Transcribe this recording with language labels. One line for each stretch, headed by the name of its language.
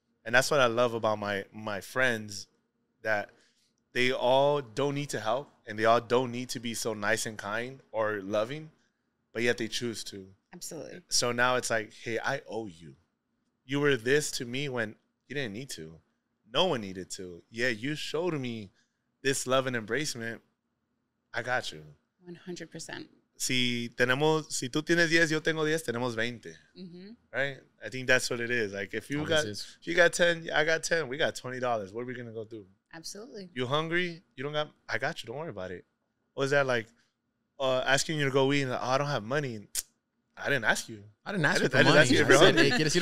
English: And that's what I love about my friends, that they all don't need to help and they all don't need to be so nice and kind or loving, but yet they choose to. Absolutely. So now it's like, hey, I owe you. You were this to me when you didn't need to. No one needed to. Yeah, you showed me this love and embracement. I got you. 100%.
Spanish: si tenemos, si tú tienes 10, yo tengo 10, tenemos 20.
English: Mm-hmm. Right? I think that's what it is. Like, if you got 10, I got 10, we got $20. What are we going to go do? Absolutely. You hungry? You don't got, I got you. Don't worry about it. What is that like? Asking you to go eat, and, oh, I don't have money. I didn't ask you. I didn't ask you if you're hungry.